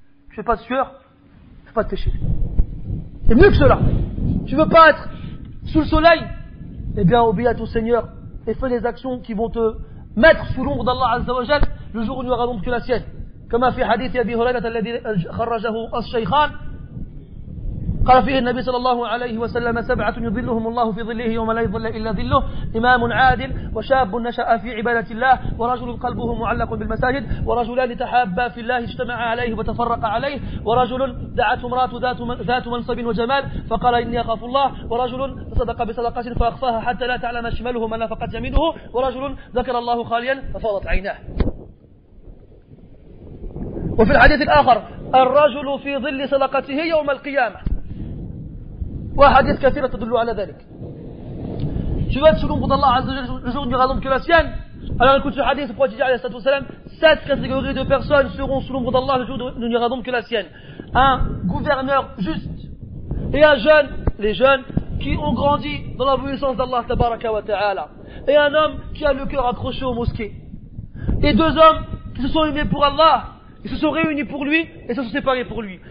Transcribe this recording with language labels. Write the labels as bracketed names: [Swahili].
[French] Tu fais pas de sueur, tu fais pas de péché. Et mieux que cela, tu veux pas être sous le soleil, eh bien obéis à ton Seigneur et fais les actions qui vont te mettre sous l'ombre d'Allah Azza wa Jal le jour où il n'y aura d'ombre que la sienne. Comme a fait [Arabic] hadith Abi Hurayra alladhi kharrajahu ash-shaykhan. قال فيه النبي صلى الله عليه وسلم سبعة يظلهم الله في ظله يوم لا يظل إلا ظله: إمام عادل، وشاب نشأ في عبادة الله، ورجل قلبه معلق بالمساجد، ورجلان تحابا في الله اجتمعا عليه وتفرق عليه، ورجل دعته امرأة ذات منصب وجمال فقال إني أخاف الله، ورجل صدق بصدقة فأخفاها حتى لا تعلم شماله ما نفقت يمينه، ورجل ذكر الله خاليا ففاضت عيناه. وفي الحديث الآخر: الرجل في ظل صدقته يوم القيامة. وحديث كثيرة تدل على ذلك. [French] Tu vas être sous l'ombre d'Allah Azza wa Jal le jour où il n'y aura d'ombre que la sienne. Alors écoute ce hadith, le prophète dit alayhi salatu wa salam, 7 catégories de personnes seront sous l'ombre d'Allah le jour où il n'y aura d'ombre que la sienne. Un gouverneur juste, et un jeune, les jeunes qui ont grandi dans l'obéissance d'Allah tabaraka wa ta'ala, et un homme qui a le cœur accroché aux mosquées, et deux hommes qui se sont aimés pour Allah, ils se sont réunis pour lui et se sont séparés pour lui.